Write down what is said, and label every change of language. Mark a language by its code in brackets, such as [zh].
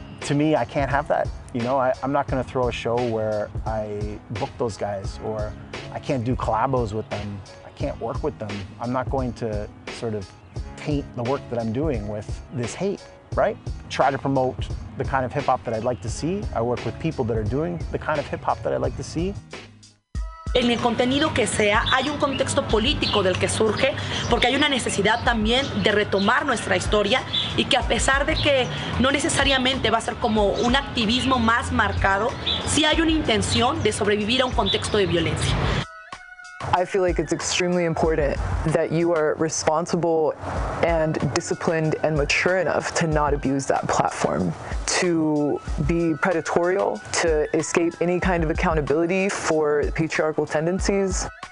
[en] To me, I can't have that. You know, I'm not gonna throw a show where I book those guys, or I can't do collabos with them. I can't work with them. I'm not going to sort of taint the work that I'm doing with this hate, right? Try to promote the kind of hip hop that I'd like to see. I work with people that are doing the kind of hip hop that I'd like to see. [es] En el contenido que sea, hay un contexto político del que surge, porque hay una necesidad también de retomar nuestra historia y que a pesar de que no necesariamente va a ser como un activismo más marcado, sí hay una intención de sobrevivir a un contexto de violencia. [en] I feel like it's extremely important that you are responsible and disciplined and mature enough to not abuse that platform, to be predatorial, to escape any kind of accountability for patriarchal tendencies.